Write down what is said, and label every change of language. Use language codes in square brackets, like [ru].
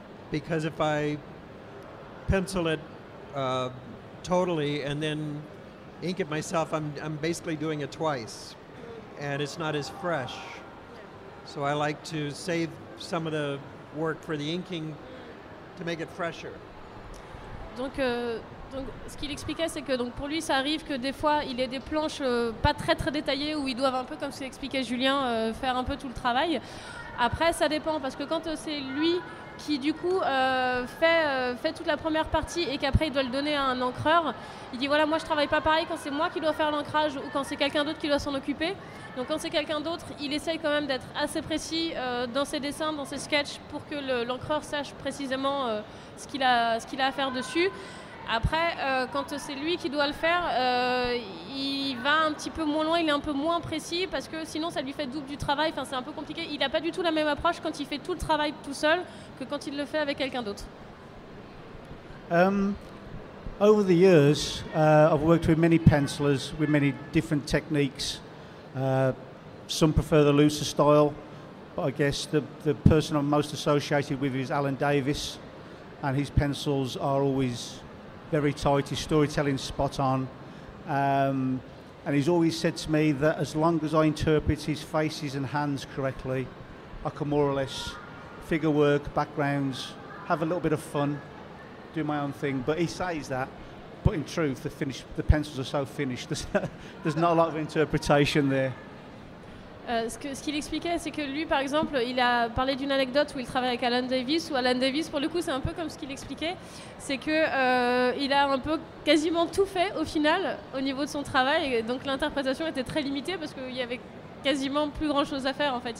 [en] Because if I pencil it totally and then ink it myself, I'm basically doing it twice. And it's not as fresh. So I like to save some of the work for the inking to make it fresher. [fr] Donc, ce qu'il expliquait, c'est que donc, pour lui, ça arrive que des fois, il ait des planches pas très très détaillées où ils doivent un peu, comme ce qu'expliquait Julien, faire un peu tout le travail. Après, ça dépend, parce que quand c'est lui qui, du coup, fait toute la première partie et qu'après, il doit le donner à un encreur, il dit, voilà, moi, je travaille pas pareil quand c'est moi qui dois faire l'ancrage ou quand c'est quelqu'un d'autre qui doit s'en occuper. Donc, quand c'est quelqu'un d'autre, il essaye quand même d'être assez précis dans ses dessins, dans ses sketchs, pour que l'encreur sache précisément ce qu'il a à faire dessus. Après, quand c'est lui qui doit le faire, il va un petit peu moins loin, il est un peu moins précis parce que sinon ça lui fait double du travail, enfin, c'est un peu compliqué. Il n'a pas du tout la même approche quand il fait tout le travail tout seul que quand il le fait avec quelqu'un d'autre. [en] Over the years, I've worked with many pencilers, with many different techniques. Some prefer the looser style, but I guess the person I'm most associated with is Alan Davis, and his pencils are always very tight, his storytelling spot on. And he's always said to me that as long as I interpret his faces and hands correctly, I can more or less figure work, backgrounds, have a little bit of fun, do my own thing. But he says that, but in truth, the pencils are so finished, there's not a lot of interpretation there. [fr] Ce qu'il expliquait, c'est que lui, par exemple, il a parlé d'une anecdote où il travaille avec Alan Davis, où Alan Davis, pour le coup, c'est un peu comme ce qu'il expliquait, c'est qu'il a un peu quasiment tout fait au final au niveau de son travail, et donc l'interprétation était très limitée parce qu'il y avait quasiment plus grand chose à faire en fait.